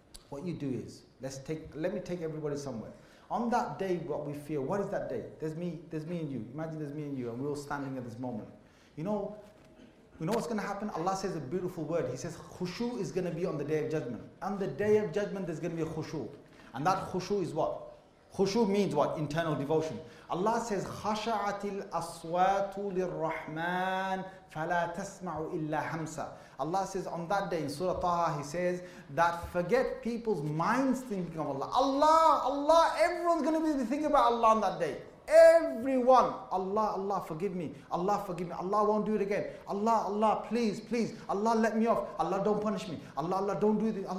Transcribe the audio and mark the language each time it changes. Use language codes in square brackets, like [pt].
[en] What you do is, let me take everybody somewhere. On that day, what we feel, what is that day? There's me and you. Imagine there's me and you, and we're all standing at this moment. You know what's going to happen? Allah says a beautiful word. He says, khushu is going to be on the Day of Judgment. On the Day of Judgment, there's going to be a khushu. And that khushu is what? Khushu means what? Internal devotion. [ar] Allah says, خَشَعَتِ الْأَصْوَاتُ لِلرَّحْمَانِ فَلَا تَسْمَعُ إِلَّا هَمْسَ. [en] Allah says on that day in Surah Taha, He says that forget people's minds thinking of Allah. Allah, Allah, everyone's going to be thinking about Allah on that day. Everyone, Allah, Allah, forgive me. Allah, forgive me. Allah won't do it again. Allah, Allah, please, please. Allah, let me off. Allah, don't punish me. Allah, Allah, don't do this.